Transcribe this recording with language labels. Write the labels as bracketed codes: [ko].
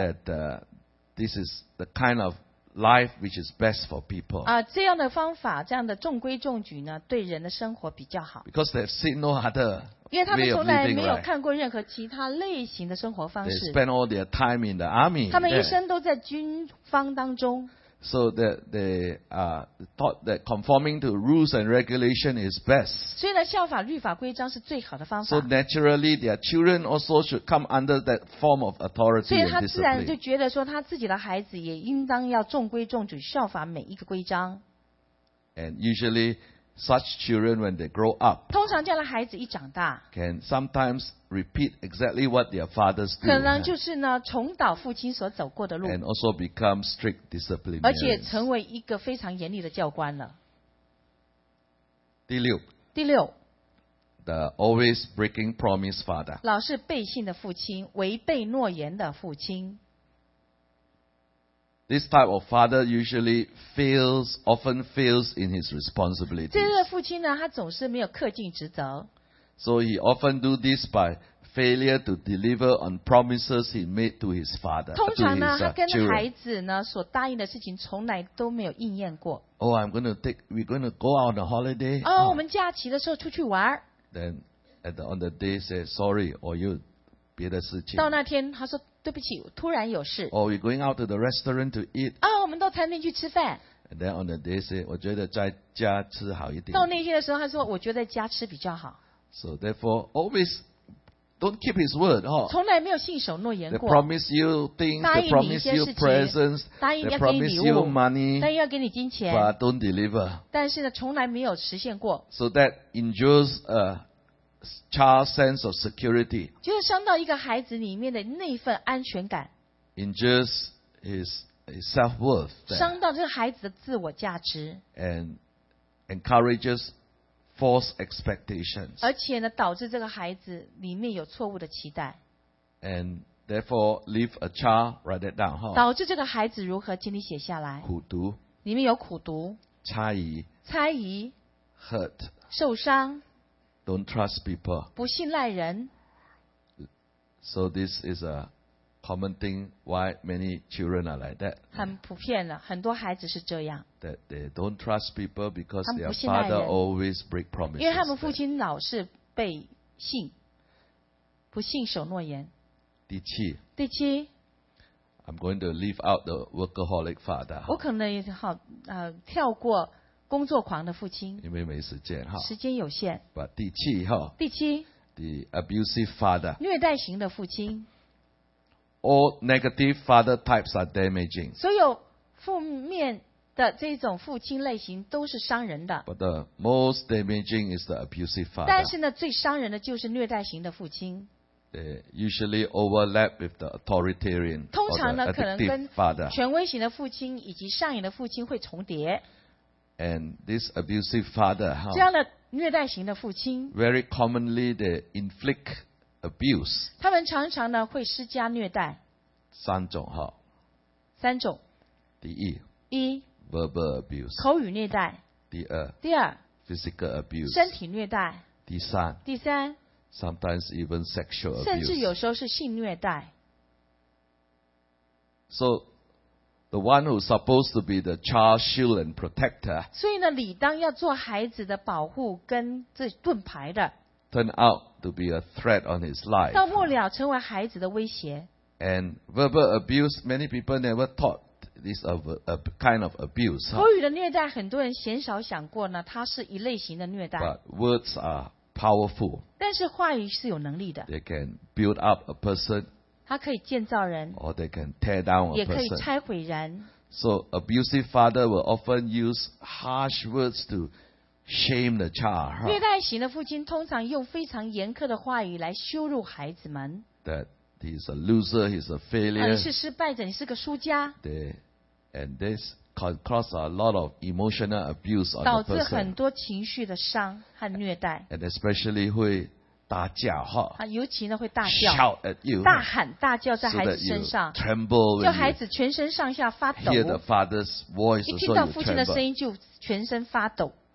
[en] That this is the kind of life which is best for people. [zh] 这样的方法，这样的中规中矩呢，对人的生活比较好。 [en] Because they've seen no other. [zh] 因为他们从来没有看过任何其他类型的生活方式。 [en] They spend all their time in the army. [zh] 他们一生都在军方当中。 [en] So that they thought that conforming to rules and regulation is best. [zh] 所以呢，效法律法规章是最好的方法。 [en] So naturally, their children also should come under that form of authority. [zh] 所以他自然就觉得说，他自己的孩子也应当要中规中矩，效法每一个规章。 [en] And usually, such children when they grow up, [zh] 通常这样的孩子一长大 [en] can sometimes repeat exactly what their fathers do. [zh] 可能就是呢，重蹈父亲所走过的路 [en] and also become strict disciplinarians. [zh] 而且成为一个非常严厉的教官了。第六 [en] The always breaking promise father. [zh] 老是背信的父亲，违背诺言的父亲。 [en] This type of father usually often fails in his responsibility. [zh] 这个父亲呢，他总是没有恪尽职责。 [en] So he often do this by failure to deliver on promises he made to his father. [zh] 通常呢， [en] his, [zh] 他跟孩子呢所答应的事情，从来都没有应验过。 [en] Oh, I'm going to go out on a holiday. [zh] 我们假期的时候出去玩。 [en] Then on the day say sorry or you [zh] 别的事情。到那天他说对不起，突然有事。 [en] Or we going out to the restaurant to eat. [zh] 啊，我们到餐厅去吃饭。 [en] And then on the day say, [zh] 我觉得在家吃好一点。到那天的时候，他说我觉得在家吃比较好。 [en] So therefore, always. Don't keep his word, huh? [zh] 从来没有信守诺言过。 [en] They promise you things, they promise you presents, they promise you money, [zh] 答应要给你金钱 [en] but don't deliver. [zh] 但是呢，从来没有实现过。 [en] So that induces a child's sense of security. [zh] 就是伤到一个孩子里面的那份安全感。 [en] Induces his self-worth. [zh] 伤到这个孩子的自我价值。 [en] And encourages. False expectations. [zh] 而且呢，导致这个孩子里面有错误的期待。 [en] And therefore, leave a child write that down. [zh] 导致这个孩子如何请你写下来？苦读。里面有苦读。猜疑。猜疑。 [en] Hurt. [zh] 受伤。 [en] Don't trust people. [zh] 不信赖人。 [en] So this is a common thing why many children are like that. [zh] 很普遍的，很多孩子是这样。 [en] That they don't trust people because their father always break promises. [zh] 因为他们父亲老是背信，不信守诺言。第七。第七。 [en] I'm going to leave out the workaholic father. [zh] 我可能好跳过工作狂的父亲。因为没时间哈。时间有限。 But 第七哈。第七。 [en] The abusive father. [zh] 虐待型的父亲。 [en] All negative father types are damaging. [zh] 所有负面的这种父亲类型都是伤人的。 [en] But the most damaging is the abusive father. [zh] 但是呢，最伤人的就是虐待型的父亲。 [en] They usually overlap with the authoritarian. [zh] 通常呢，可能跟权威型的父亲以及上瘾的父亲会重叠。 [en] And this abusive father, [zh] 这样的虐待型的父亲 [en] ，very commonly they inflict. Abuse, [zh] 他们常常呢会施加虐待。三种哈。三种。第一。一。 [en] Verbal abuse, [zh] 口语虐待。第二。第二。 [en] Physical abuse, [zh] 身体虐待。第三。第三。 [en] Sometimes even sexual abuse, [zh] 甚至有时候是性虐待。 [en] So, the one who's supposed to be the child's shield and protector, [zh] 所以呢，理当要做孩子的保护跟这盾牌的。 [en] Turn out to be a threat on his life. [zh] 到末了成为孩子的威胁。 [en] And verbal abuse, many people never thought this of a kind of abuse. [zh] 口语的虐待，很多人鲜少想过呢，它是一类型的虐待。 [en] But words are powerful. [zh] 但是话语是有能力的。 [en] They can build up a person. [zh] 它可以建造人。 [en] Or they can tear down a person. [zh] 也可以拆毁人。 [en] So abusive father will often use harsh words to. Shame the child. [zh] 虐待型的父亲通常用非常严苛的话语来羞辱孩子们。 [en] That he's a loser, he's a failure. [zh] 你是失败者，你是个输家。 [en] And this causes a lot of emotional abuse on the person. [zh] 导致很多情绪的伤和虐待。 [en] And especially [zh] 会大叫哈。尤其呢会大叫。 [en] Shout at you. [zh] 大喊大叫在孩子身上。 [en] Tremble. [zh] 就孩子全身上下发抖。 [en] Hear the father's voice. [zh] 一听到父亲的声音就全身发抖。